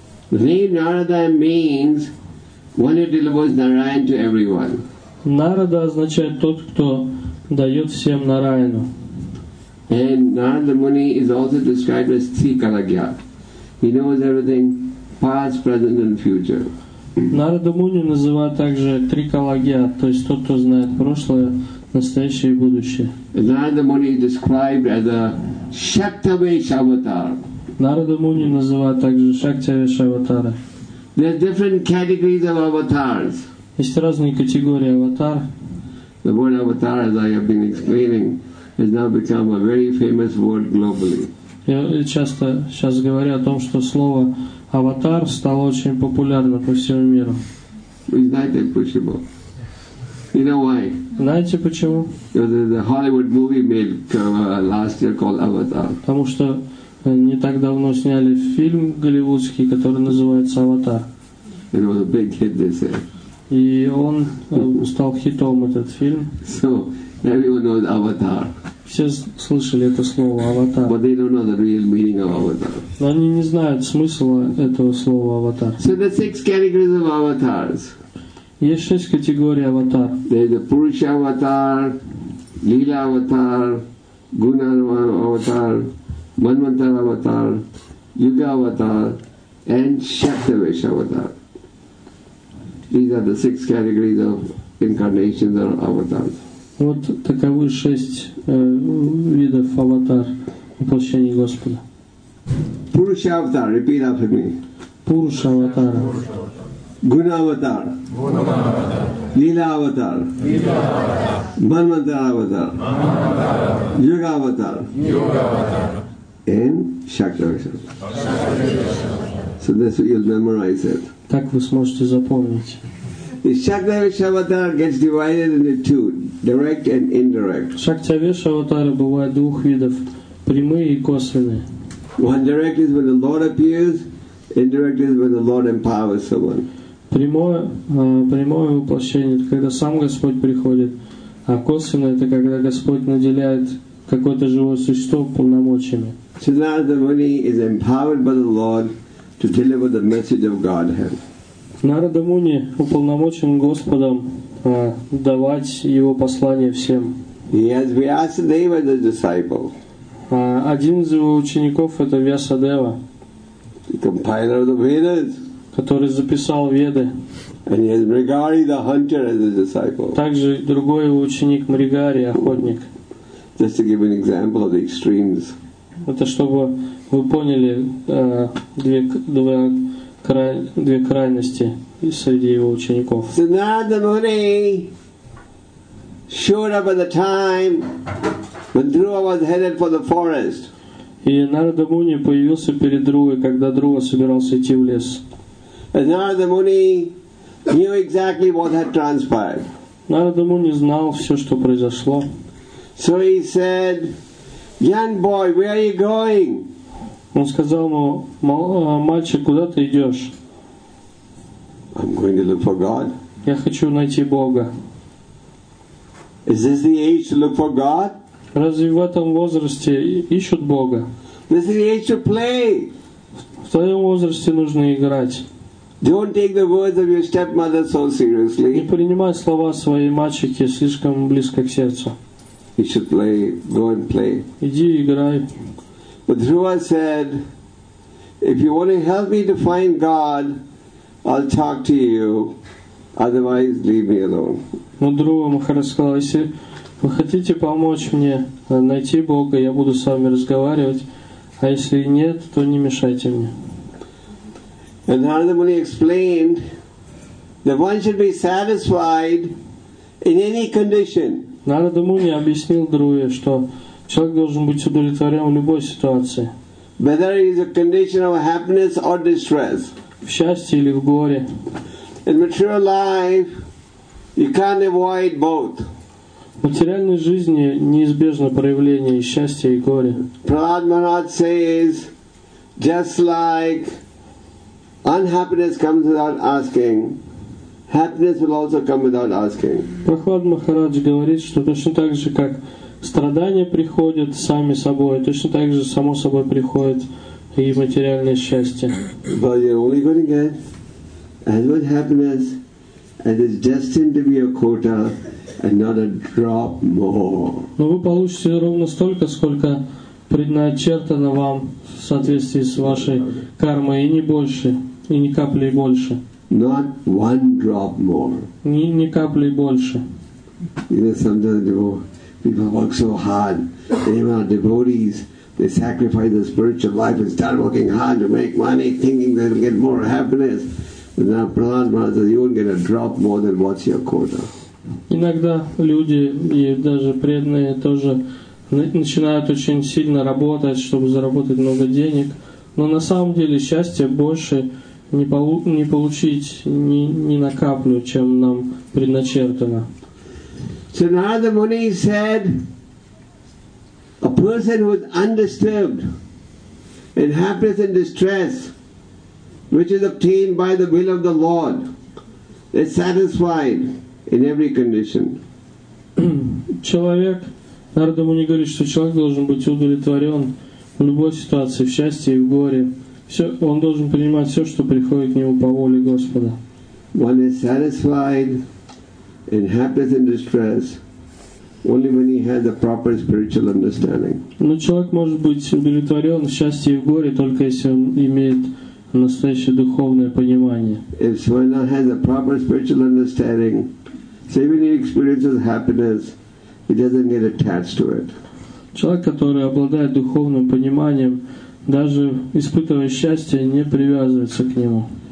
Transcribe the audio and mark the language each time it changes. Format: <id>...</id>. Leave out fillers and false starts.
<en>Name Narada means one who delivers Narayana to everyone.</en> <ru>Narada означает тот, кто дает всем Нараяну.</ru> <en>And Narada Muni is also described as Trikalagya. He knows everything, past, present and future.</en> <ru>Narada Muni называют также Трикалагья, то есть тот, кто знает прошлое, настоящее и будущее.</ru> <en>Narada Muni is described as a Shaktavesh avatar.</en> <ru>Narada Muni называют также Shaktavesh avatara.</ru> <en>There are different categories of avatars.</en> <ru>Есть разные категории аватар.</ru> <en>The word avatar, as I have been explaining, has now become a very famous word globally.</en> <ru>Я часто сейчас говорю о том, что слово аватар стало очень популярным по всему миру.</ru> <en>Is that possible? You know why?</en> <ru>Знаете почему?</ru> <en>The Hollywood movie made last year called Avatar.</en> <ru>Потому что не так давно сняли фильм голливудский, который называется Аватар.</ru> <en>It was a big hit, they said.</en> <ru>И он стал хитом, этот фильм.</ru> <en>So everyone knows Avatar.</en> <ru>Все слышали это слово Аватар.</ru> <en>But they don't know the real meaning of Avatar.</en> <ru>Но они не знают смысла этого слова Аватар.</ru> <en>So there are six categories of avatars.</en> <ru>Есть шесть категорий аватар.</ru> <en>There is a Purusha avatar, Lila avatar, Guna avatar, Manvantara avatar, Yuga avatar, and Shaktavesh avatar. These are the six categories of incarnations or avatars.</en> <ru>Вот таковы шесть видов аватар воплощения Господа.</ru> <en>Purusha avatar, repeat after me. Purusha avatar. Guna avatar. Lila avatar. Manvantara avatar. Yuga avatar. And Shaktavesh avatar. So that's what you'll memorize it.</en> <ru>Так вы сможете запомнить.</ru> <en>The Shaktavesh avatar gets divided into two, direct and indirect.</en> <ru>Shaktavesh avatar бывает двух видов, прямые и косвенные.</ru> <en>One direct is when the Lord appears, indirect is when the Lord empowers someone.</en> <ru>Прямое воплощение — это когда сам Господь приходит, а косвенное — это когда Господь наделяет какое-то живое существо полномочиями.</ru> <en>So Narada Muni is empowered by the Lord to deliver the message of Godhead.</en> <ru>Narada Muni уполномочен Господом давать его послание всем.</ru> <en>He has Vyasadeva as a disciple.</en> <ru>Один из его учеников — это Vyasadeva.</ru> <en>The compiler of the Vedas.</en> <ru>Который записал Веды.</ru> <en>And he has Mrigari, the hunter, as a disciple.</en> <ru>Также другой его ученик Мригари, охотник.</ru> <en>Just to give an example of the extremes.</en> <ru>Это чтобы вы поняли две крайности среди его учеников.</ru> <en>So Narada Muni showed up at the time when Dhruva was headed for the forest.</en> <ru>И Narada Muni появился перед Друвой, когда Друва собирался идти в лес.</ru> <en>And Narada Muni knew exactly what had transpired.</en> <ru>Narada Muni знал все, что произошло.</ru> <en>So he said, "Young boy, where are you going?"</en> <ru>Он сказал ему: "Мальчик, куда ты идешь?"</ru> <en>"I'm going to look for God."</en> <ru>Я хочу найти Бога.</ru> <en>Is this the age to look for God?</en> <ru>Разве в этом возрасте ищут Бога?</ru> <en>This is the age to play.</en> <ru>В твоем возрасте нужно играть.</ru> <en>Don't take the words of your stepmother so seriously.</en> <ru>Не принимай слова своей мачехи слишком близко к сердцу.</ru> <en>You should play. Go and play.</en> <ru>Иди играй.</ru> <en>But Dhruva said, If you want to help me to find God, I'll talk to you. Otherwise, leave me alone.</en> <ru>Мудрого Махара сказал, если вы хотите помочь мне найти Бога, я буду с вами разговаривать, а если нет, то не мешайте мне.</ru> <en>And Narada Muni explained that one should be satisfied in any condition.</en> <ru>Narada Muni объяснил Друве, что человек должен быть удовлетворен в любой ситуации.</ru> <en>Whether it is a condition of happiness or distress.</en> <ru>В счастье или в горе.</ru> <en>In material life, you can't avoid both.</en> <ru>В материальной жизни неизбежно проявление и счастья, и горя.</ru> <en>Prahlad Maharaj says, just like unhappiness comes without asking, happiness will also come without asking.</en> <ru>Прохлад Махарадж говорит, что точно так же, как страдания приходят сами собой, точно так же само собой приходит и материальное счастье.</ru> <en>But you're only going to get as much happiness as is destined to be your quota, and not a drop more.</en> <ru>Но вы получите ровно столько, сколько предначертано вам в соответствии с вашей кармой, и не больше, и ни капли больше.</ru> <en>Not one drop more.</en> <ru>Ни капли больше.</ru> <en>You know, sometimes people work so hard. Even our devotees, they sacrifice their spiritual life and start working hard to make money, thinking they'll get more happiness. But now Prahlad Maharaj says, you won't get a drop more than what's your quota.</en> <ru>Иногда люди, и даже преданные, тоже начинают очень сильно работать, чтобы заработать много денег. Но на самом деле счастья больше не получить ни на каплю, чем нам предначертано.</ru> <en>So Narada Muni said, a person who is undisturbed in happiness and distress, which is obtained by the will of the Lord, is satisfied in every condition.</en> <ru>Человек, Нарада Муни говорит, что человек должен быть удовлетворен в любой ситуации, в счастье и в горе. Все, он должен принимать все, что приходит к нему по воле Господа.</ru> <en>One is satisfied in happiness and distress only when he has a proper spiritual understanding.</en> <ru>Но человек может быть удовлетворен в счастье и в горе только если он имеет настоящее духовное понимание.</ru> <en>If someone has a proper spiritual understanding, so even he experiences happiness, he doesn't get attached to it.</en> <ru>Человек, который обладает духовным пониманием, даже испытывая счастье, не привязывается к нему.</ru>